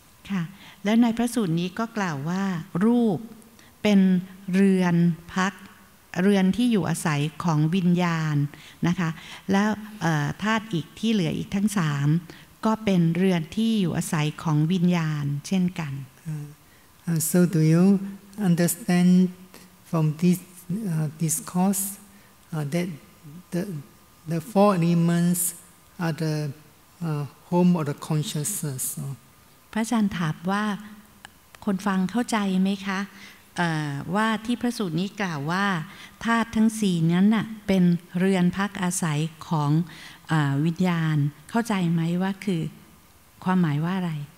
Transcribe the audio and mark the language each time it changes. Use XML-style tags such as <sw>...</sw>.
<th>ค่ะและในพระสูตรนี้ก็กล่าวว่ารูปเป็นเรือนพักเรือนที่อยู่อาศัยของวิญญาณนะคะแล้วธาตุอีกที่เหลืออีกทั้ง3ก็เป็นเรือนที่อยู่อาศัยของวิญญาณเช่นกัน</th> <en>so do you understand from this discourse that the four elements are the home of the consciousness</en> <th>พระอาจารย์ถามว่าคนฟังเข้าใจไหมคะว่าที่พระสูตรนี้กล่าวว่าธาตุทั้ง4นั้นน่ะเป็นเรือนพักอาศัยของ วิญญาณเข้าใจไหมว่าคือความหมายว่าอะไร</th>